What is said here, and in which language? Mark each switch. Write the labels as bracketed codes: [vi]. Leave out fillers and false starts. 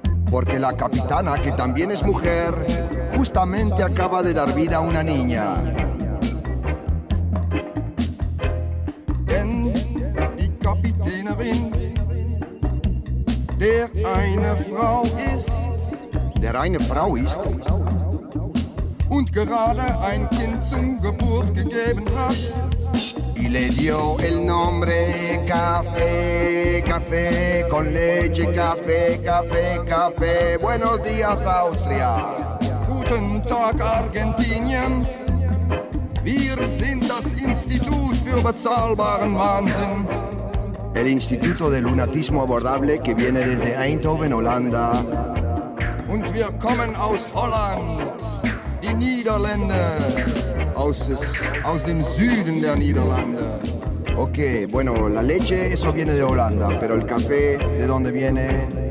[es] Porque la capitana, que también es mujer, justamente acaba de dar vida a una niña. [de] Denn die Kapitänerin, der eine Frau ist, der eine Frau ist, und gerade ein Kind zum Geburt gegeben hat, [es] y le dio el nombre café, café con leche, café, café, café. Buenos días, Austria. [de] Guten Tag, Argentinien. Wir sind das Institut für bezahlbaren Wahnsinn. [es] El Instituto de Lunatismo Abordable, que viene desde Eindhoven, Holanda. [de] Und wir kommen aus Holland, die Niederlande. Aus dem Süden der Niederlande. [es] Okay, bueno, la leche, eso viene de Holanda, pero el café, ¿de dónde viene?